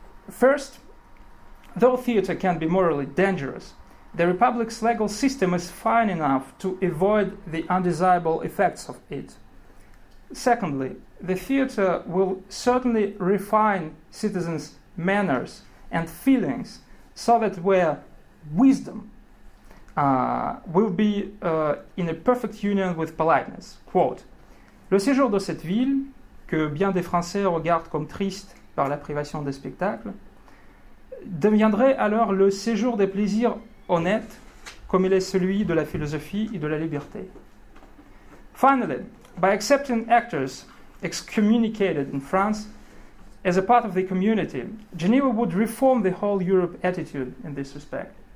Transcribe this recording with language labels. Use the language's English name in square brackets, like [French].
[English] First, though theater can be morally dangerous, the Republic's legal system is fine enough to avoid the undesirable effects of it. Secondly, the theater will certainly refine citizens' manners and feelings so that where wisdom will be in a perfect union with politeness. [French] Quote, "Le séjour de cette ville, que bien des Français regardent comme triste par la privation des spectacles, deviendrait alors le séjour des plaisirs honnêtes, comme il est celui de la philosophie et de la liberté." [English] Finally, by accepting actors excommunicated in France as a part of the community, Geneva would reform the whole Europe attitude in this respect.